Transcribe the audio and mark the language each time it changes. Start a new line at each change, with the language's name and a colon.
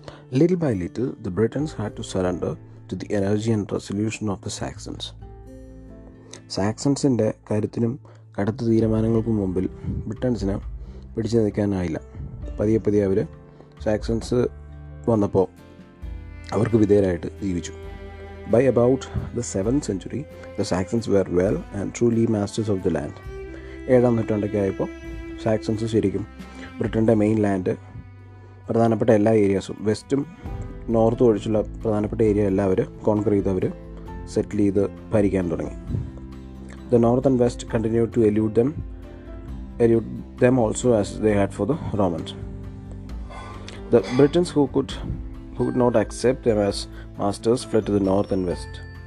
English: Little by little, the Britons had to surrender to the energy and resolution of the Saxons.
Malayalam: സാക്സൺസിൻ്റെ കരുത്തിനും കടുത്ത തീരുമാനങ്ങൾക്കും മുമ്പിൽ ബ്രിട്ടൻസിന് പിടിച്ചു നിൽക്കാനായില്ല. പതിയെ പതിയെ അവർ Saxons വന്നപ്പോൾ അവർക്ക് വിധേയരായിട്ട് ജീവിച്ചു.
English: By about the 7th century, the Saxons were well and truly masters of the land.
Malayalam: ഏഴാം നൂറ്റാണ്ടൊക്കെയായപ്പോൾ Saxons ശരിക്കും ബ്രിട്ടൻ്റെ മെയിൻ ലാൻഡ്, പ്രധാനപ്പെട്ട എല്ലാ ഏരിയാസും, വെസ്റ്റും നോർത്തും ഒഴിച്ചുള്ള പ്രധാനപ്പെട്ട ഏരിയ എല്ലാം അവർ കോൺക്വർ ചെയ്ത് അവർ സെറ്റിൽ ചെയ്ത് ഭരിക്കാൻ തുടങ്ങി.
English: The north and west continued to elude them also as they had for the Romans. The Britons who could not accept them as masters fled to the north and west.